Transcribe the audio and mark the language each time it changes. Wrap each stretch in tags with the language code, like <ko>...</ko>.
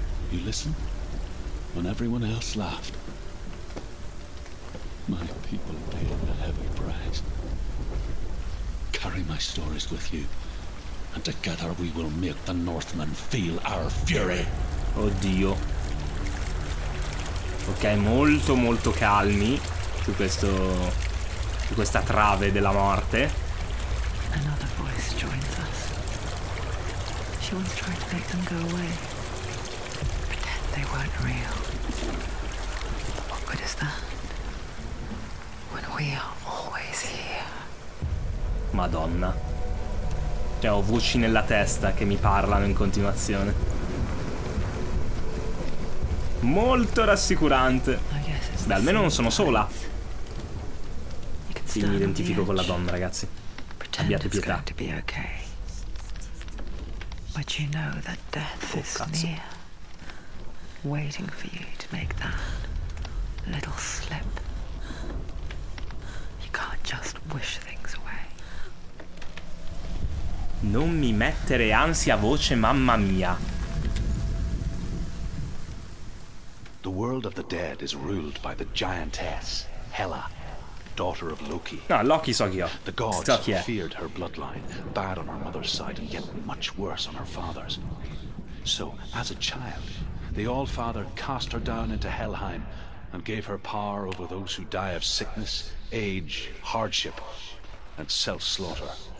<en>You listen when everyone else laughed. My people paid a heavy price. Carry my stories with you, and together we will make the Northmen feel our fury.</en> <it>Oddio. Ok, molto molto calmi su questo, su questa trave della morte.</it> <en>Another voice joins us. She wants to try to make them go away. They weren't real. What good is that? When we are always here.</en> <it>Madonna. Cioè, ho voci nella testa che mi parlano in continuazione. Molto rassicurante. Beh, almeno non sono sola. Sì, mi identifico con la donna, ragazzi. Abbiate pietà.</it> <en>But you know that death is near. Waiting for you to make that little slip. You can't just wish things away.</en> <it>Non mi mettere ansia voce, mamma mia.</it> <en>The world of the dead is ruled by the giantess Hela, daughter of Loki.</en> <it>No, Loki so chi è.</it> <en>The gods feared her bloodline, bad on her mother's side and yet much worse on her father's. So, as a child, the Allfather cast her down into Helheim and gave her power over those who die of sickness, age, hardship, and self-slaughter.</en>